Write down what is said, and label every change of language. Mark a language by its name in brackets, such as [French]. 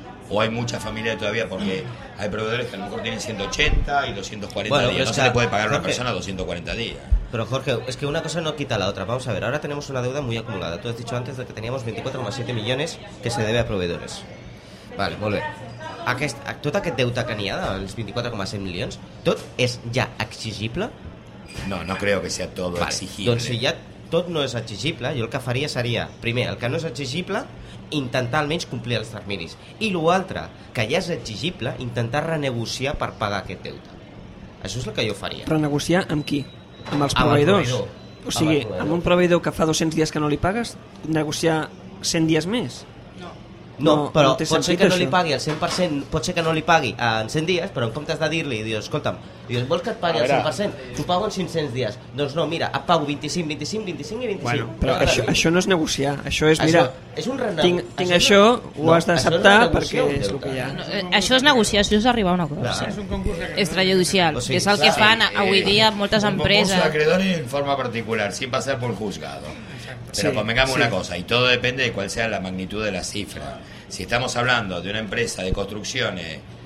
[Spanish] o hay mucha familia todavía, porque hay proveedores que a lo mejor tienen 180 y 240 bueno, días. No, o sea, se le puede pagar a una persona 240 días. Pero Jorge, es que una cosa no quita la otra. Vamos a ver, ahora tenemos una deuda muy acumulada. Tú has dicho antes de que teníamos 24,7 millones que se debe a proveedores. Vale, vuelve. [Catalan] ¿Tot aquest deute que n'hi ha, els 24,7 milions, tot és ja exigible? [Spanish] No, no creo que sea todo exigible. [Catalan] Doncs si ja tot no és exigible, jo el que faria seria, primer, el que no és exigible, intentar almenys complir els terminis. I l'altre, que ja és exigible, intentar renegociar per pagar aquest deute. Això és el que jo faria. Renegociar amb qui? Amb els proveïdors? O sigui, amb un proveïdor que fa 200 dies que no li pagues, negociar 100 dies més? No, però no pot ser que no li pagui al 100%, pot ser que no li pagui en 100 dies, però en comptes de dir-li, dius, escolta'm, dius, vols que et pagui al 100%? T'ho pago en 500 dies. Doncs no, mira, et pago 25, 25, 25 i 25. Bueno, però això no és negociar, això és, mira, és un tinc això, ho has d'acceptar perquè és el que hi ha. Això és negociar, això és arribar a una cosa. És un concurs extrajudicial, que és el que fan avui dia moltes empreses. [Spanish] Un concurs acreedor en forma particular, sin pasar por juzgado. Pero sí, convengamos una cosa, y todo depende de cuál sea la magnitud de la cifra. Si estamos hablando de una empresa de construcciones...